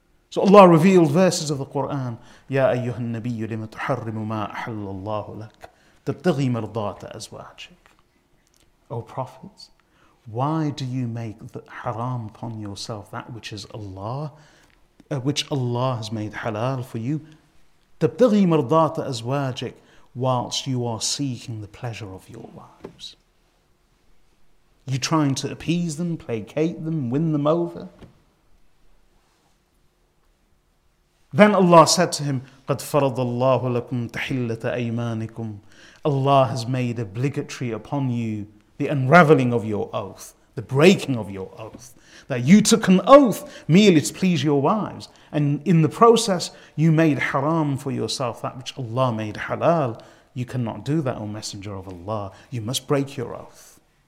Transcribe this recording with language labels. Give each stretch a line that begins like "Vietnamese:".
English: So Allah revealed verses of the Quran,
Arabic: يَا أَيُّهَا النَّبِيُّ لِمَ تُحَرِّمُ مَا أَحَلَّ اللَّهُ لَكَ تَبْتَغِي مَرْضَاتَ أَزْوَاجِكَ.
English: O Prophet, why do you make haram upon yourself that which is Allah, which Allah has made halal for you,
Arabic: تَبْتَغِي مَرْضَاتَ أَزْوَاجِكَ,
English: whilst you are seeking the pleasure of your wives? You trying to appease them, placate them, win them over? Then Allah said to him,
Arabic: قَدْ فَرَضَ اللَّهُ لَكُمْ تَحِلَّةَ أَيْمَانِكُمْ.
English: Allah has made obligatory upon you the unraveling of your oath, the breaking of your oath, that you took an oath merely to please your wives, and in the process you made haram for yourself that which Allah made halal. You cannot do that, O Messenger of Allah. You must break your oath.